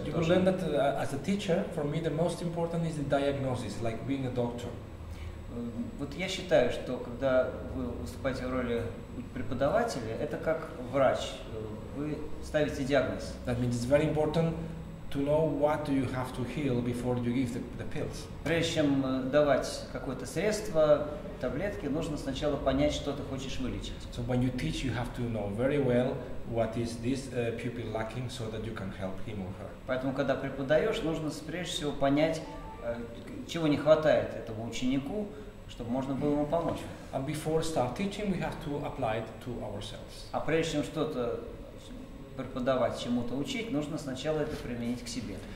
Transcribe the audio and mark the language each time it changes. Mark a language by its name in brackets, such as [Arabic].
[English] You will learn that as a teacher, for me, the most important is the diagnosis, like being a doctor. [Russian] Вот я считаю, что когда вы выступаете в роли преподавателя, это как врач. Вы ставите диагноз. [English] That means it's very important to know what you have to heal before you give the pills. [Russian] Прежде чем давать какое-то средство, таблетки, нужно сначала понять, что ты хочешь вылечить. [English] So when you teach, you have to know very well what is this pupil lacking, so that you can help him or her. [Russian] Поэтому, когда преподаешь, нужно прежде всего понять, чего не хватает этому ученику, чтобы можно было ему помочь. [English] And before start teaching, we have to apply it to ourselves. [Russian] А прежде чем что-то преподавать, чему-то учить, нужно сначала это применить к себе.